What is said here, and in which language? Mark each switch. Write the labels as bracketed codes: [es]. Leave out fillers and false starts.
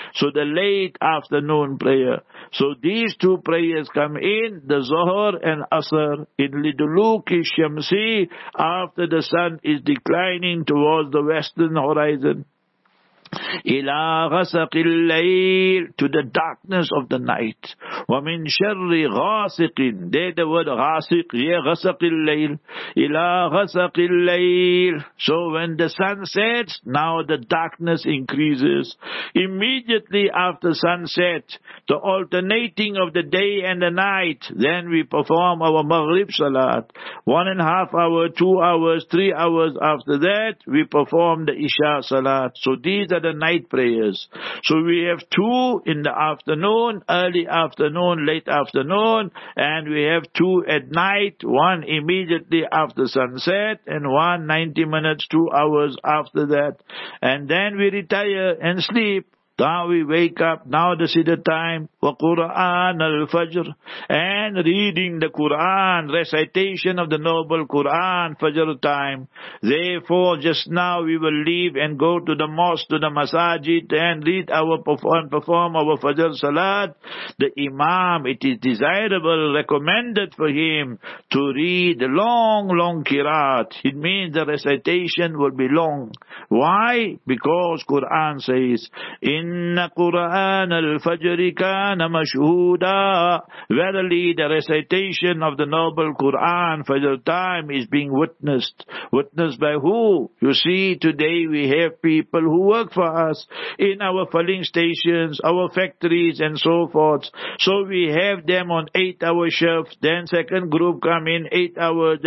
[en] So the late afternoon prayer. So these two prayers come in, the zohor and asr, in liduluki shamsi, after the sun is declining towards the western horizon. إِلَى غَسَقِ اللَّيْلِ, to the darkness of the night. [ar] وَمِنْ شَرِّ غَاسِقٍ, there the word غَاسِق, yeah, غَسَقِ اللَّيْلِ, إِلَى غَسَقِ اللَّيْلِ. [en] So when the sun sets, now the darkness increases. Immediately after sunset, the alternating of the day and the night, then we perform our Maghrib Salat. 1.5 hour, 2 hours, 3 hours after that, we perform the Isha Salat. So these are the night prayers. So we have two in the afternoon, early afternoon, late afternoon, and we have two at night, one immediately after sunset, and one 90 minutes, 2 hours after that. And then we retire and sleep. Now we wake up, now this is the time, wa Qur'an al-Fajr, and reading the Qur'an, recitation of the noble Qur'an, Fajr time. Therefore, just now we will leave and go to the mosque, to the masajid, and read our, perform our Fajr Salat. The Imam, it is desirable, recommended for him to read long, long Qirat. It means the recitation will be long. Why? [ar] Because Qur'an says, in إن قرآن الفجر كان مشهودا. [en] Verily, the recitation of the noble Quran, Fajr time, is being witnessed. Witnessed by who? You see, today we have people who work for us in our filling stations, our factories, and so forth. So we have them on 8-hour shift. Then second group come in 8 hours.